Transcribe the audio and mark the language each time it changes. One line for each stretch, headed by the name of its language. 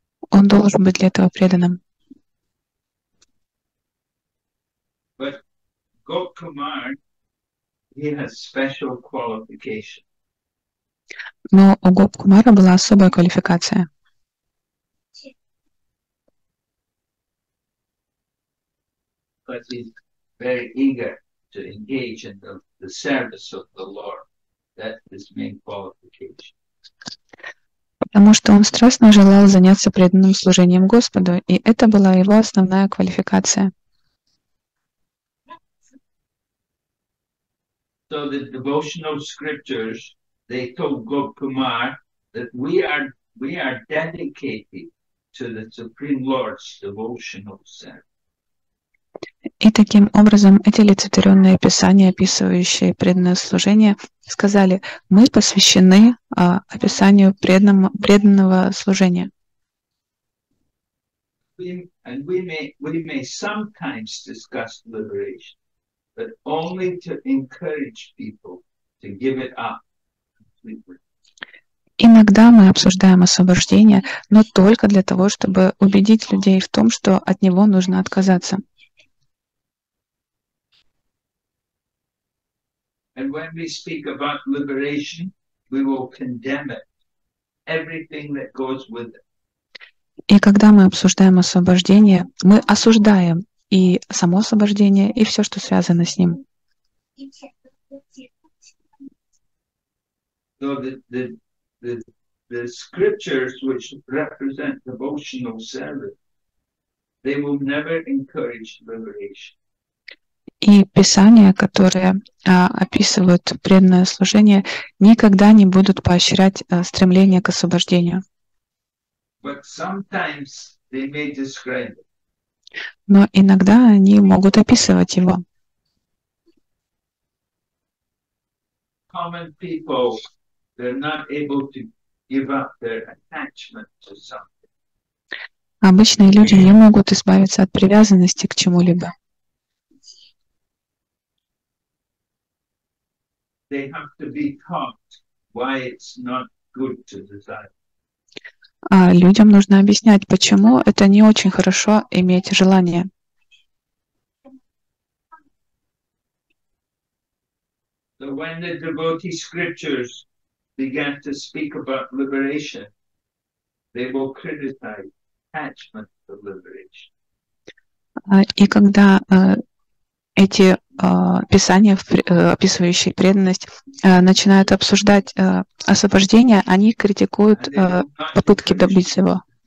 Russian: Он должен быть для этого преданным.
English: Gopkumar, he has special qualification.
Russian: Но у Гопкумара была особая квалификация.
English: But he's very eager to engage in the service of the Lord. That is main qualification.
Russian: Потому что он страстно желал заняться преданным служением Господу, и это была его основная квалификация.
English: So the devotional scriptures, they told Gopkumar that we are dedicated to the Supreme Lord's devotional service.
Russian: И таким образом эти олицетворенные писания, описывающие преданное служение, сказали, мы посвящены описанию преданного служения.
English: We may sometimes discuss liberation. But only to encourage people to give it up completely.
Russian: Иногда мы обсуждаем освобождение, но только для того, чтобы убедить людей в том, что от него нужно отказаться.
English: And when we speak about liberation, we will condemn it, everything that goes with it.
Russian: И когда мы обсуждаем освобождение, мы осуждаем и само освобождение, и все, что связано с ним.
English: The scriptures which represent devotional service, they will never encourage liberation.
Russian: И писания, которые описывают преданное служение, никогда не будут поощрять стремление к освобождению.
English: But sometimes they may describe it.
Russian: Но иногда они могут описывать его.
English: Common people, they're not able to give up their attachment to something.
Russian: Обычные люди не могут избавиться от привязанности к чему-либо.
English: They have to be taught why it's not good to desire.
Russian: А людям нужно объяснять, почему это не очень хорошо иметь желание.
English: So when the devotee scriptures began to speak about liberation, they will criticize attachment to liberation.
Russian: И когда эти писания, описывающие преданность, начинают обсуждать освобождение, они критикуют попытки добиться его.